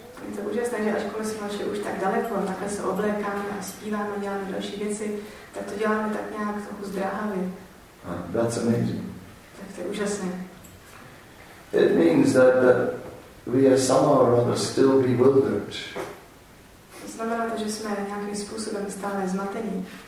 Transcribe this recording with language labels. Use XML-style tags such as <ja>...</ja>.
<cs>Je to úžasné, že ačkoliv jsme našli už tak daleko, takhle se oblékáme a zpíváme, děláme další věci, tak to děláme tak nějak trochu zdráhavě.</cs> <en>That's amazing.</en> <cs>Tak to je úžasné.</cs> <en>It means that we are somehow or other still bewildered.</en> <cs>To znamená to, že jsme nějakým způsobem stále zmatení.</cs>